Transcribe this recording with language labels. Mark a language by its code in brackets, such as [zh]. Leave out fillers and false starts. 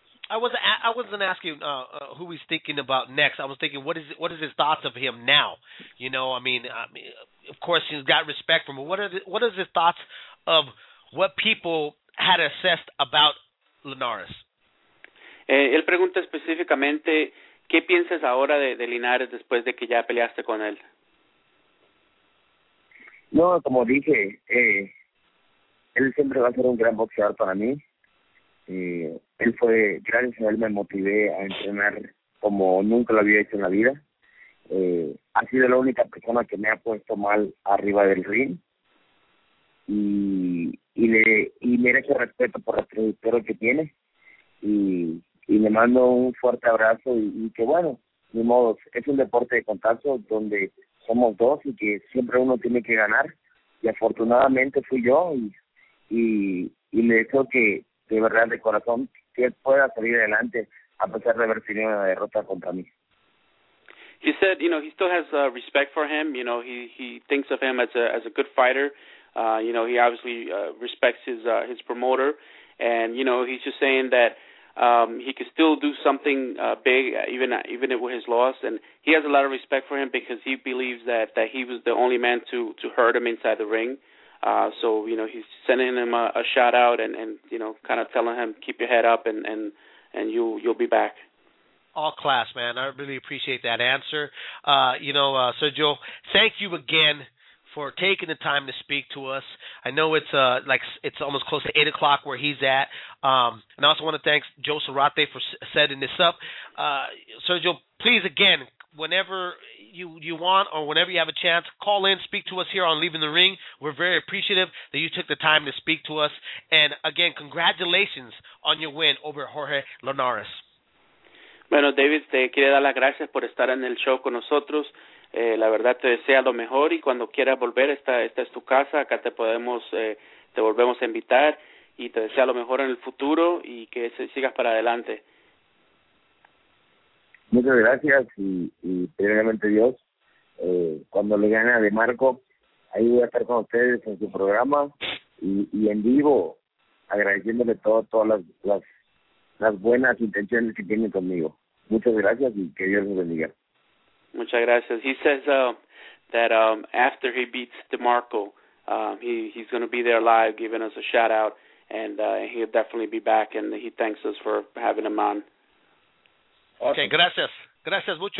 [en] I wasn't asking who he's thinking about next. I was thinking, what is his thoughts of him now? You know, I mean, of course, he's got respect for him. What is his thoughts of what people had assessed about Linares? [es] Él pregunta específicamente, ¿qué piensas ahora de Linares después de que ya peleaste con él? No, como dije, él siempre va a ser un gran boxeador para mí. Él fue, gracias a él me motivé a entrenar como nunca lo había hecho en la vida. Ha sido la única persona que me ha puesto mal arriba del ring. Y merece respeto por la trayectoria que tiene. Y le mando un fuerte abrazo y que bueno, ni modo, es un deporte de contacto donde somos dos y que siempre uno tiene que ganar. Y afortunadamente fui yo y le deseo que de verdad, de corazón, que él pueda salir adelante a pesar de haber tenido una derrota contra mí. [en] He said, you know, he still has respect for him. You know, he thinks of him as a good fighter. You know, he obviously respects his promoter. And, you know, he's just saying that he could still do something big, even with his loss. And he has a lot of respect for him because he believes that he was the only man to hurt him inside the ring. So, you know, he's sending him a shout-out and, you know, kind of telling him, keep your head up and you'll be back. All class, man. I really appreciate that answer. Sergio, thank you again for taking the time to speak to us. I know it's almost close to 8 o'clock where he's at. And I also want to thank Joe Serrate for setting this up. Sergio, please again, whenever you want or whenever you have a chance, call in, speak to us here on Leaving the Ring. We're very appreciative that you took the time to speak to us. And again, congratulations on your win over Jorge Linares. [es] Bueno, David, te quiere dar las gracias por estar en el show con nosotros. La verdad te desea lo mejor y cuando quieras volver, esta es tu casa, acá te podemos, te volvemos a invitar y te desea lo mejor en el futuro y que sigas para adelante. Muchas gracias y primeramente Dios, cuando le gane a De Marco, ahí voy a estar con ustedes en su programa y en vivo, agradeciéndole todas las buenas intenciones que tiene conmigo. Muchas gracias y que Dios los bendiga. Muchas gracias. [en] He says that after he beats DeMarco, he's going to be there live giving us a shout-out, and he'll definitely be back, and he thanks us for having him on. Awesome. Okay, [es] gracias. Gracias mucho.